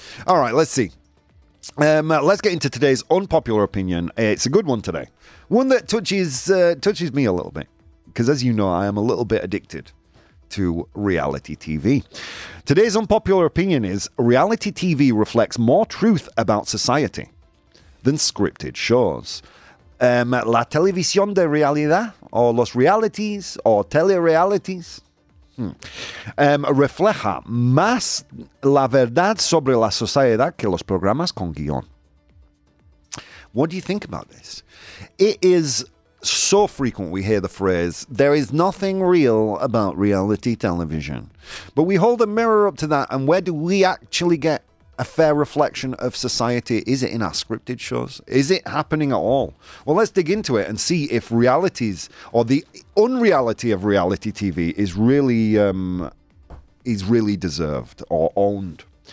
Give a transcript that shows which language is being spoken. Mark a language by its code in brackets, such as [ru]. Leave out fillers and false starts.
[en] All right, let's see. Let's get into today's unpopular opinion. It's a good one today. One that touches me a little bit. Because as you know, I am a little bit addicted to reality TV. Today's unpopular opinion is reality TV reflects more truth about society than scripted shows. [es] La televisión de realidad, or los realities, or telerealities, refleja más la verdad sobre la sociedad que los programas con guión. [en] What do you think about this? It is so frequent we hear the phrase, there is nothing real about reality television. But we hold a mirror up to that, and where do we actually get a fair reflection of society? Is it in our scripted shows? Is it happening at all? Well, let's dig into it and see if realities or the unreality of reality TV is really deserved or owned.